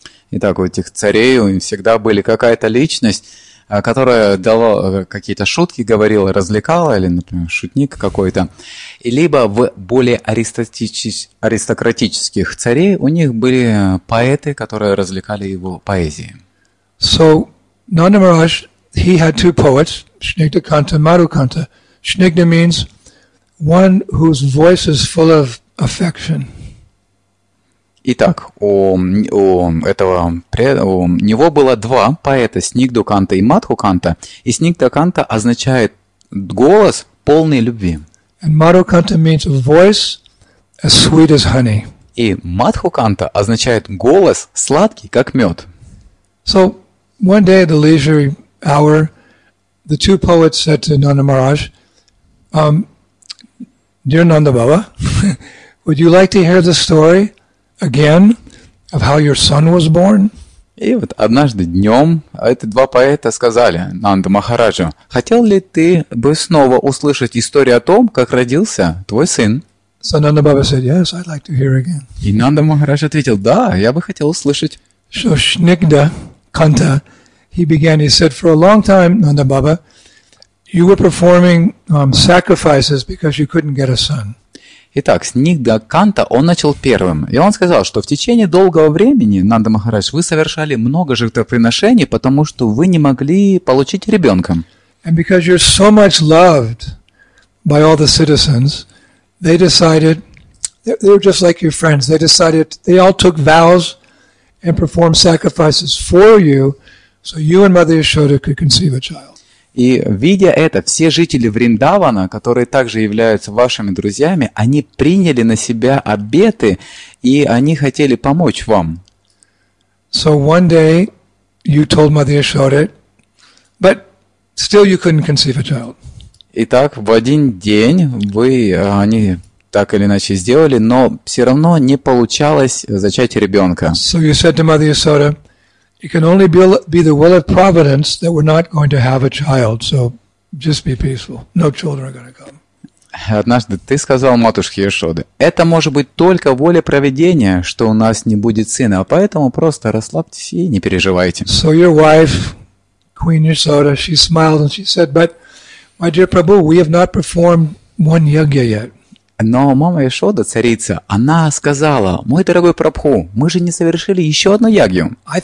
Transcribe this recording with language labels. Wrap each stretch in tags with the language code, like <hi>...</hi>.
<ru>Итак, у этих царей у них всегда были какая-то личность, которая дала какие-то шутки, говорила, развлекала, или, например, шутник какой-то. И либо в более аристократических царей у них были поэты, которые развлекали его поэзией.</ru> <en>So, Nanda Maharaj, he had two poets, Snigdhakanta and Madhukanta. Snigdha means one whose voice is full of affection.</en> <ru>Итак, у этого у него было два поэта, Снигду Канта и Мадху Канта. И Снигда Канта означает голос полный любви.</ru> <en>And Madhu Kanta means voice as sweet as honey.</en> <ru>И Мадху Канта означает голос сладкий, как мед.</ru> <en>So one day at the leisure hour, the two poets said to Nanda Maharaj, dear Nanda Baba, would you like to hear the story again of how your son was born?</en> <ru>И вот однажды днем эти два поэта сказали Нанда Махараджу, хотел ли ты бы снова услышать историю о том, как родился твой сын?</ru> <en>So Nanda Baba said, yes, I'd like to hear again.</en> <ru>И Нанда Махарадж ответил, да, я бы хотел услышать.</ru> <en>So Снигда Канта, he began, he said, for a long time, Nanda Baba, you were performing sacrifices because you couldn't get a son.</en> <ru>Итак, Снигда Канта, он начал первым. И он сказал, что в течение долгого времени, Нанда Махарадж, вы совершали много жертвоприношений, потому что вы не могли получить ребенка.</ru> <en>And because you're so much loved by all the citizens, they decided, they were just like your friends, they decided, they all took vows and performed sacrifices for you, so you and Mother Yashoda could conceive a child.</en> <ru>И видя это, все жители Вриндавана, которые также являются вашими друзьями, они приняли на себя обеты, и они хотели помочь вам.</ru> <en>So one day you told Mother Yashoda, but still you couldn't conceive a child.</en> <ru>Итак, в один день вы, они так или иначе сделали, но все равно не получалось зачать ребенка.</ru> <en>So you said to Mother Yashoda, it can only be the will of Providence that we're not going to have a child, so just be peaceful. No children are going to come.</en> <ru>Однажды ты сказал матушке Яшоды, это может быть только воля проведения, что у нас не будет сына, а поэтому просто расслабьтесь и не переживайте.</ru> <en>So your wife, Queen Yashoda, she smiled and she said, but my dear Prabhu, we have not performed one yajna yet.</en> <ru>Но мама Яшода, царица, она сказала, мой дорогой Прабху, мы же не совершили еще одну ягью.</ru>